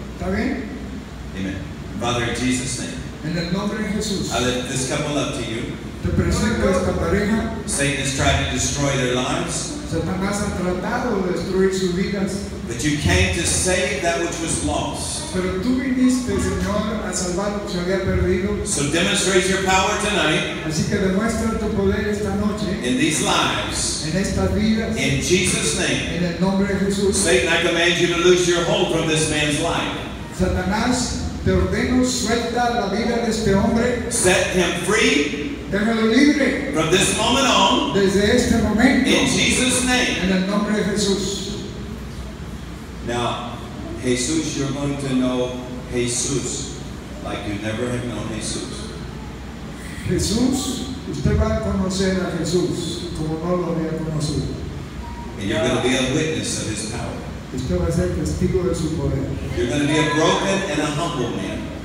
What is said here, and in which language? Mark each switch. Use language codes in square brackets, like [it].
[es] ¿Está bien? [en] Amen. Father, in Jesus' name. [es] En el nombre de Jesús, [en] I lift this couple up to you. [es] Te presento esta pareja. [en] Satan has tried to destroy their lives. [es] Satanás ha tratado de destruir sus vidas. [en] But you came to save that which was lost. [es] Pero tú viniste, Señor, a salvar lo que se había perdido. [en] So demonstrate your power tonight. [es] Así que demuestra tu poder esta noche. [en] In these lives. [es] En estas vidas. [en] In Jesus' name. [es] En el nombre de Jesús. [en] Satan, I command you to lose your hold from this man's life. [es] Satanás, te ordeno, suelta la vida de este hombre. [en] Set him free. [es] Déjalo libre. [en] From this moment on, [es] desde este momento, [en] in Jesus' name, [es] en el nombre de Jesús. [en] Now, Jesús, you're going to know Jesús like you never have known Jesús. [es] Jesús, usted va a conocer a Jesús como no lo había conocido. [en] And you're going to be a witness of His power. [es] Usted va a ser testigo de su poder. [en] You're going to be a broken and a humble man.